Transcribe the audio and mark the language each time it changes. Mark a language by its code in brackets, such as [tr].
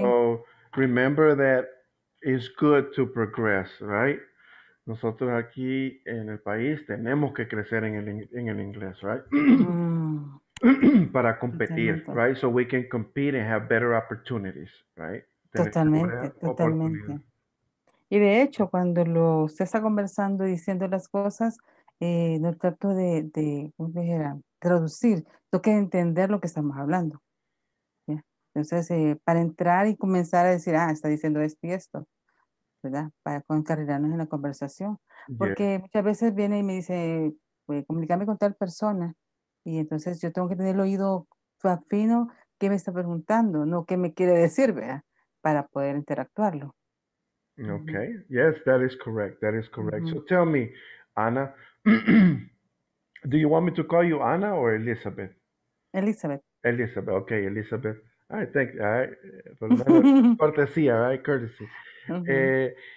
[en] So remember that it's good to progress, right? [es] Nosotros aquí en el país tenemos que crecer en el inglés, right? Para competir, totalmente. Right? [en] So we can compete and have better opportunities, right? [es] Totalmente. Y de hecho, cuando se está conversando y diciendo las cosas, no trato de ¿cómo dijera? Traducir, tengo que entender lo que estamos hablando. ¿Sí? Entonces, para entrar y comenzar a decir, está diciendo esto y esto, ¿verdad? Para encarrilarnos en la conversación. Porque muchas veces viene y me dice, pues, comunícame con tal persona. Y entonces yo tengo que tener el oído fino qué me está preguntando, no qué me quiere decir, ¿verdad? Para poder interactuarlo. [en] Okay. Mm-hmm. Yes, that is correct. That is correct. Mm-hmm. So tell me, Anna, do you want me to call you Anna or Elizabeth? Elizabeth. Elizabeth. Okay, Elizabeth. All right, thank you. All right. Courtesy, all right? Courtesy. Mm-hmm.